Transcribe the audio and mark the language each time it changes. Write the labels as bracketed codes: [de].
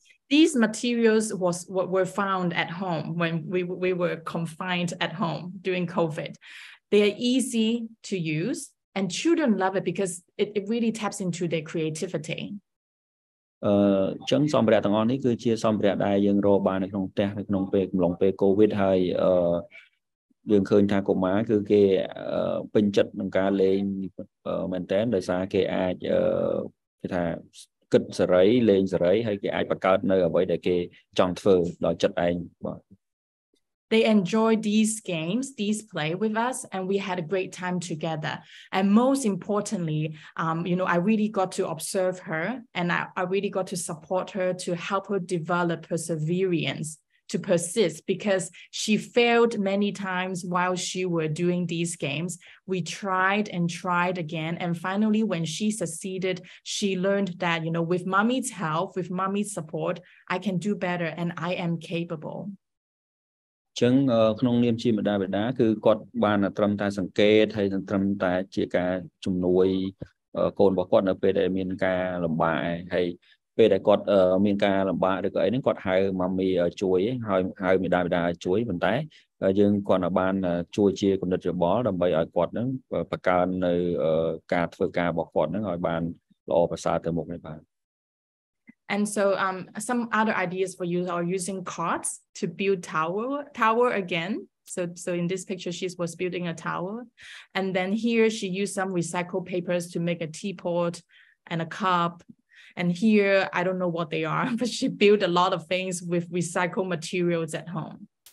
[en] These materials was what were found at home when we were confined at home during COVID. They are easy to use and children love it because it really taps into their creativity. [km] ចឹងសម្ភារៈទាំងអស់នេះគឺជាសម្ភារៈដែលយើងរកបាននៅក្នុងផ្ទះនៅក្នុងពេលកំឡុងពេល COVID ហើយយើងឃើញថាកុមារគឺគេពេញចិត្តនឹងការលេងមែនទែនដោយសារគេអាចគេថាគិតសេរីលេងសេរីហើយគេអាចបង្កើតនៅអ្វីដែលគេចង់ធ្វើដោយចិត្តឯងបាទ [en] They enjoy these games, these play with us, and we had a great time together. And most importantly, you know, I really got to observe her and I really got to support her to help her develop perseverance to persist because she failed many times while she were doing these games. We tried and tried again. And finally, when she succeeded, she learned that, you know, with mommy's help, with mommy's support, I can do better and I am capable. [km] ចឹងក្នុងនាមជាម្តាយបិតាគឺគាត់បានត្រឹមតែសង្កេតហើយត្រឹមតែជាការជំនួយកូនរបស់គាត់នៅពេលដែលមានការលំបាកហើយពេលដែលគាត់មានការលំបាកឬក៏អីហ្នឹងគាត់ហៅម៉ាមីជួយហើយហៅមីដាមីដាជួយប៉ុន្តែយើងគាត់បានជួយជាគំនិតយោបល់ដើម្បីឲ្យគាត់ហ្នឹងបង្កើននៅការធ្វើការរបស់គាត់ហ្នឹងឲ្យបានល្អប្រសើរទៅមុខនេះបាទ [en] And so some other ideas for you are using cards to build tower again so in this picture she was building a tower and then here she used some recycled papers to make a teapot and a cup And here, I don't know what they are, but she built a lot of things with recycled materials at home.